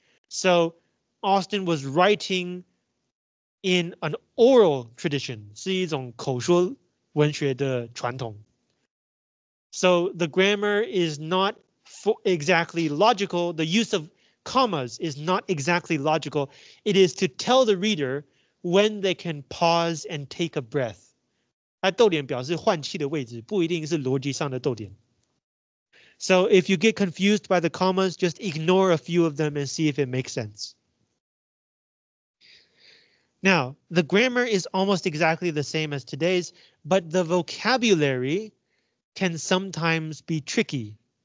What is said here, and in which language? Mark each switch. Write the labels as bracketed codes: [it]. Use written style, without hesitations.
[en] So Austen was writing in an oral tradition, [zh] 是一种口说文学的传统. [en] So the grammar is not exactly logical. The use of commas is not exactly logical. It is to tell the reader when they can pause and take a breath. [zh] 逗点表示换气的位置，不一定是逻辑上的逗点. [en] So if you get confused by the commas, just ignore a few of them and see if it makes sense. Now, the grammar is almost exactly the same as today's, but the vocabulary can sometimes be tricky.